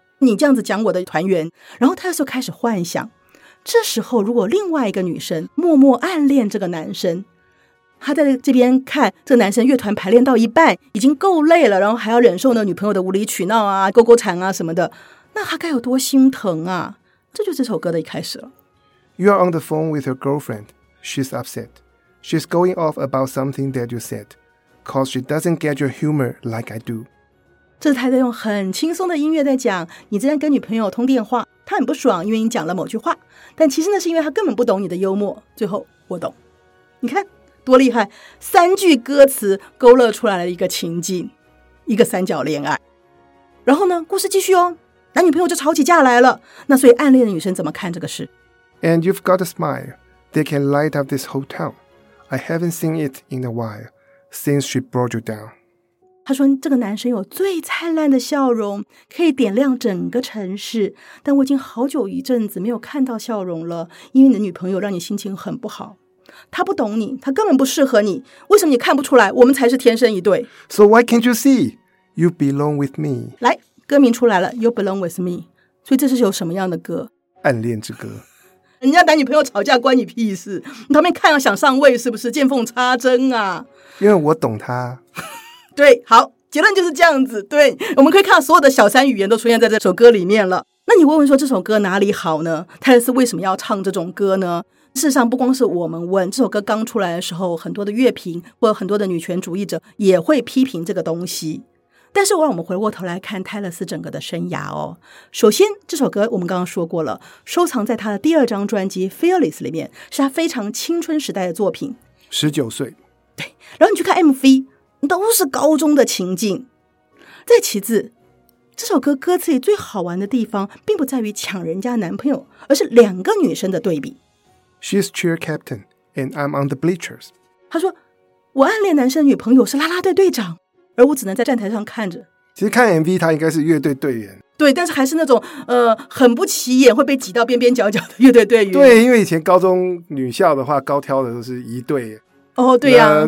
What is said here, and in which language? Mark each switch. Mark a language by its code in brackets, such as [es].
[zh] 你这样子讲我的团员，然后他就开始幻想，这时候如果另外一个女生默默暗恋这个男生，他在这边看这个男生乐团排练到一半已经够累了，然后还要忍受呢女朋友的无理取闹啊、勾勾缠啊什么的，那他该有多心疼啊。这就是这首歌的一开始了。 [en] You are on the phone with your girlfriend. She's upset. She's going off about something that you said. Cause she doesn't get your humor like I do. [zh] 这是他在用很轻松的音乐在讲，你正在跟女朋友通电话，他很不爽，因为你讲了某句话，但其实那是因为他根本不懂你的幽默。最后我懂，你看多厉害，三句歌词勾勒出来了一个情境，一个三角恋爱。然后呢，故事继续哦，男女朋友就吵起架来了。那所以暗恋的女生怎么看这个事？ [en] And you've got a smile that can light up this whole town. I haven't seen it in a while since she brought you down. [zh] 她说这个男生有最灿烂的笑容，可以点亮整个城市，但我已经好久一阵子没有看到笑容了，因为你的女朋友让你心情很不好。他不懂你，他根本不适合你，为什么你看不出来我们才是天生一对？ [en] So why can't you see? You belong with me. [zh] 来，歌名出来了， [en] You belong with me. [zh] 所以这是有什么样的歌？暗恋之歌。人家男女朋友吵架关你屁事，你旁边看要想上位是不是？见缝插针啊，因为我懂他。对，好，结论就是这样子。对，我们可以看到所有的小三语言都出现在这首歌里面了。那你问问说这首歌哪里好呢？泰勒斯为什么要唱这种歌呢？事实上不光是我们问，这首歌刚出来的时候，很多的乐评或者很多的女权主义者也会批评这个东西。但是让我们回过头来看泰勒斯整个的生涯哦。首先这首歌我们刚刚说过了，收藏在他的第二张专辑 Fearless 里面，是他非常青春时代的作品， 19岁。对，然后你去看 MV 都是高中的情境。再其次，这首歌歌词里最好玩的地方并不在于抢人家男朋友，而是两个女生的对比。 [en] She's cheer captain, and I'm on the bleachers. [zh] 他说，我暗恋男生的女朋友是啦啦队队长，而我只能在站台上看着。其实看 MV 他应该是乐队队员。对，但是还是那种很不起眼会被挤到边边角角的乐队队员。对，因为以前高中女校的话，高挑的都是一队。哦，对呀，